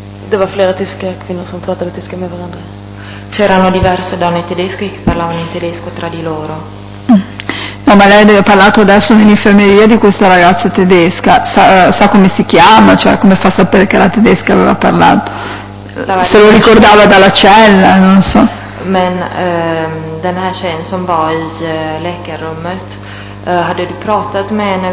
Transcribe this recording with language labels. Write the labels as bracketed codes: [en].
[sv] Det var flera tyska kvinnor som pratade tyska med varandra. [it] C'erano diverse donne tedesche che parlavano in tedesco tra di loro. No, ma lei ha parlato adesso nell'infermeria di questa ragazza tedesca. Sa come si chiama? Cioè, come fa a sapere che la tedesca aveva parlato? Se lo ricordava dalla cella, non so. [sv] Men den här tjejen som var i läkarrummet, hade du pratat med henne?